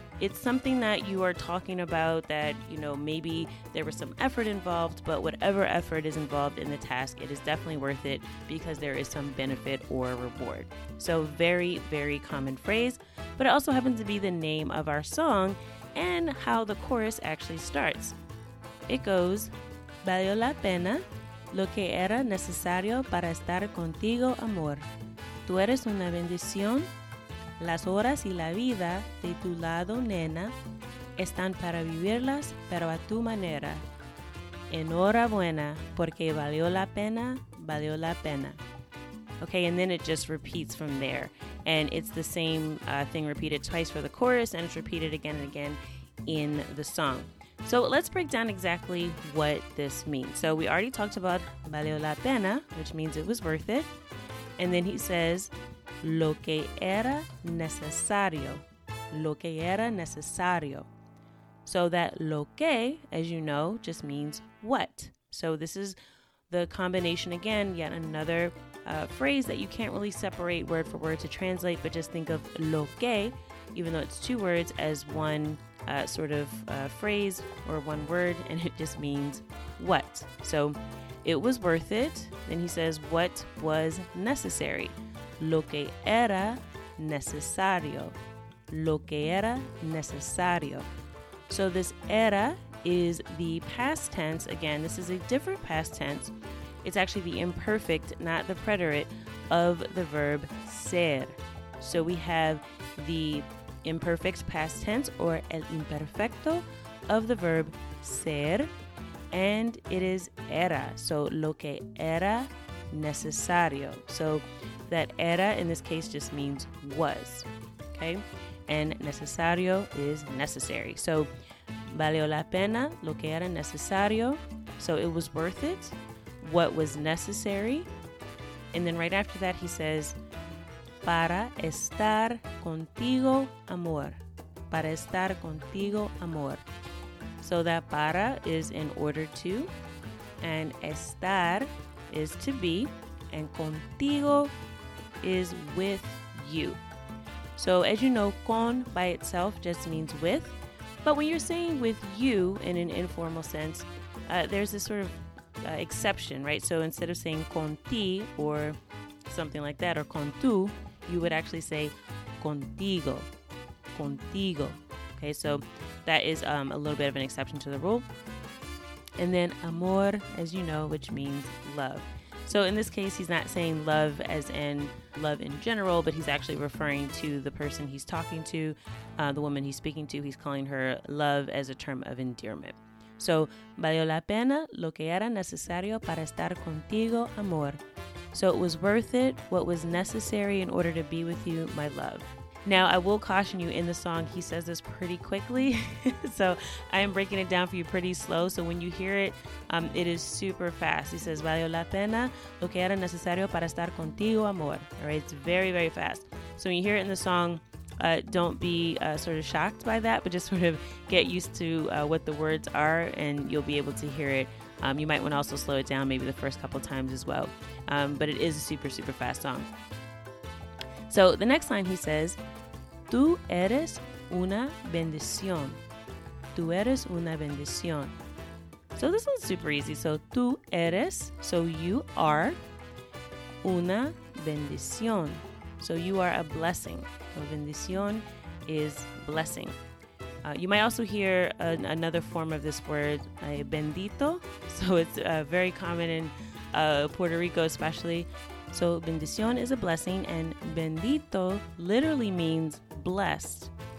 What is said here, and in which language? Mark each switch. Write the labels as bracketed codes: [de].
[en] It's something that you are talking about that, you know, maybe there was some effort involved, but whatever effort is involved in the task, it is definitely worth it because there is some benefit or reward. So very, very common phrase, but it also happens to be the name of our song and how the chorus actually starts. [es] It goes, valió la pena lo que era necesario para estar contigo, amor. Tú eres una bendición. Las horas y la vida de tu lado, nena, están para vivirlas, pero a tu manera. Enhorabuena, porque valió la pena, valió la pena. [en] Okay, and then it just repeats from there. And it's the same thing repeated twice for the chorus, and it's repeated again and again in the song. So let's break down exactly what this means. So we already talked about [es] valió la pena, [en] which means it was worth it. And then he says, [es] lo que era necesario, lo que era necesario. [en] So that lo que, as you know, just means what. So this is the combination again, yet another phrase that you can't really separate word for word to translate, but just think of lo que, even though it's two words, as one sort of phrase or one word, and it just means what. So it was worth it. Then he says, what was necessary? [es] Lo que era necesario, lo que era necesario. [en] So this era is the past tense. Again, this is a different past tense. It's actually the imperfect, not the preterite, of the verb ser. So we have the imperfect past tense, or el imperfecto, of the verb ser, and it is era. So [es] lo que era necesario. [en] So that era in this case just means was, okay? And necesario is necessary. [es] So valió la pena lo que era necesario. [en] So it was worth it, what was necessary. And then right after that he says, [es] para estar contigo, amor. Para estar contigo, amor. [en] So that para is in order to, and estar is to be, and contigo is with you. So as you know, con by itself just means with, but when you're saying with you in an informal sense, there's this sort of exception, right? So instead of saying con ti or something like that, or con tu, you would actually say contigo, contigo. Okay, so that is a little bit of an exception to the rule. And then amor, as you know, which means love. So in this case, he's not saying love as in love in general, but he's actually referring to the person he's talking to, the woman he's speaking to. He's calling her love as a term of endearment. [es] So, valió la pena lo que era necesario para estar contigo, amor. [en] So it was worth it, what was necessary in order to be with you, my love. Now, I will caution you, in the song, he says this pretty quickly. So I am breaking it down for you pretty slow. So when you hear it, it is super fast. He says, [es] valió la pena lo que era necesario para estar contigo, amor. [en] All right, it's very, very fast. So when you hear it in the song, don't be sort of shocked by that, but just sort of get used to what the words are and you'll be able to hear it. You might want to also slow it down maybe the first couple times as well. But it is a super, super fast song. So the next line he says, [es] tú eres una bendición. Tú eres una bendición. [en] So this one's super easy. So tú eres, so you are, una bendición. So you are a blessing. So bendición is blessing. You might also hear another form of this word, bendito. So it's very common in Puerto Rico especially. So bendición is a blessing, and bendito literally means blessed.